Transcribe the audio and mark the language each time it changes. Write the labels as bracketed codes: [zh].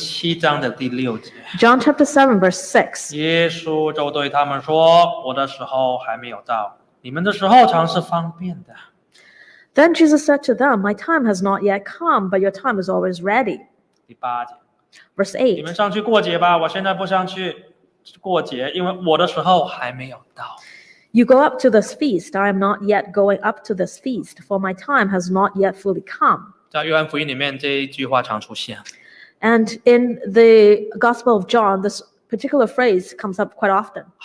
[zh] 约翰福音七章的第六节, [en] John chapter 7, verse 6. [zh] 耶稣就对他们说, 我的时候还没有到, 你们的时候常是方便的。 [en] Then Jesus said to them, my time has not yet come, but your time is always ready. [zh] 第八节, [en] verse 8. [zh] 你们上去过节吧, 我现在不上去。过节，因为我的时候还没有到。 [en] You go up to this feast. I am not yet going up to this feast, for my time has not yet fully come. [zh] 在约翰福音里面，这一句话常出现。 [en] And in the Gospel of John, this particular phrase comes up quite often.